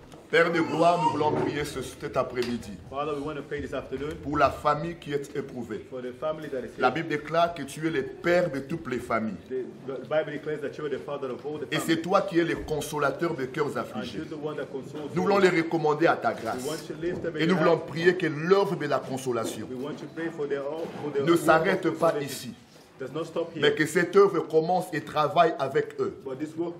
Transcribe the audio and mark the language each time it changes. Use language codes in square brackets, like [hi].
[fr] Père de gloire, nous voulons prier cet après-midi [en] Father, we want to pray this afternoon [fr] pour la famille qui est éprouvée. [en] For the family that is [fr] la Bible déclare que tu es le père de toutes les familles. [en] The Bible declares that you are the father of all the families. [fr] Et c'est toi qui es le consolateur des cœurs affligés. [en] And you're the one that consoles [fr] nous voulons les recommander à ta grâce. [en] We want to lift them [fr] et nous voulons prier que l'œuvre de la consolation [en] we want to pray for the [fr] ne s'arrête pas ici. [en] does not stop here. [fr] Mais que cette œuvre commence et travaille avec eux. [en] But this work